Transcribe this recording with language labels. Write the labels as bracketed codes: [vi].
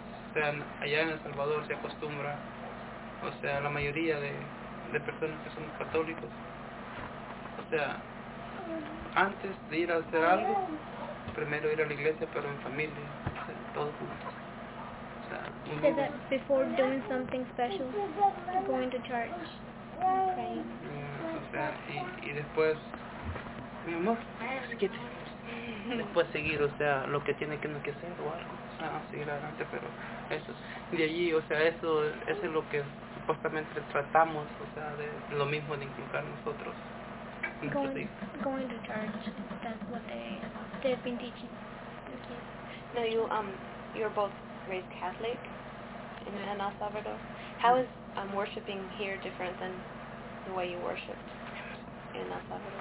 [es] O sea, allá en El Salvador se acostumbra, o sea, la mayoría de personas que son católicos, o sea, antes de ir a hacer algo, primero ir a la iglesia, pero en familia, o sea, todos juntos. [en] He said that before doing something special, going to church and praying. [es] Yeah, o sea, y después seguir, o sea, lo que tiene que hacer o algo, o sea, seguir adelante, pero eso, de allí, o sea, eso es lo que supuestamente tratamos, o sea, de lo mismo de inculcar nosotros. [en] Going to church, that's what they've been teaching. No, you're both raised Catholic in El Salvador. How is worshiping here different than the way you worshiped in El Salvador?